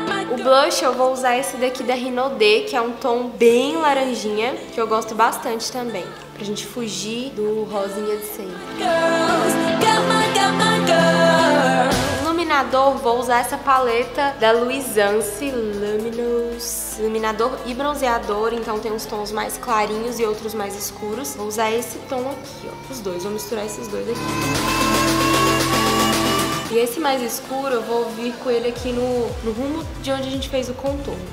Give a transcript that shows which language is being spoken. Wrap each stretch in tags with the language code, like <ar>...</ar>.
<pt>O blush eu vou usar esse daqui da Rinod D, que é um tom bem laranjinha, que eu gosto bastante também. Pra gente fugir do rosinha de sempre.</pt> <en>Girls, come on, come on, girls.</en> <pt>Iluminador, vou usar essa paleta da Luisance Luminous. Iluminador e bronzeador, então tem uns tons mais clarinhos e outros mais escuros. Vou usar esse tom aqui, ó. Os dois, vou misturar esses dois aqui. E esse mais escuro, eu vou vir com ele aqui no rumo de onde a gente fez o contorno.</pt>